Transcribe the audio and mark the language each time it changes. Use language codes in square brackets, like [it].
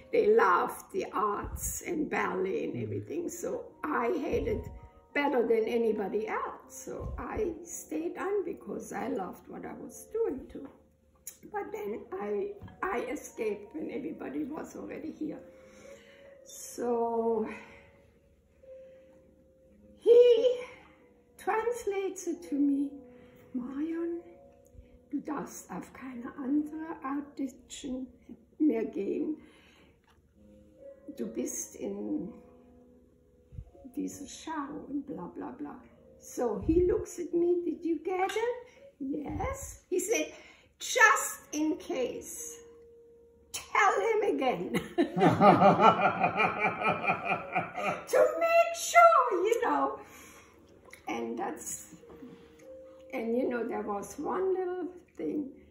[en] They loved the arts and ballet and everything. So I had it better than anybody else. So I stayed on because I loved what I was doing too. But then I escaped when everybody was already here. So he translates it to me, [de] Marion, du darfst auf keine andere Audition mehr gehen. Du bist in diese Show und bla bla bla. [en] So he looks at me, did you get it? Yes. He said, just in case, tell him again. To make sure, you know. And you know, there was one little thing.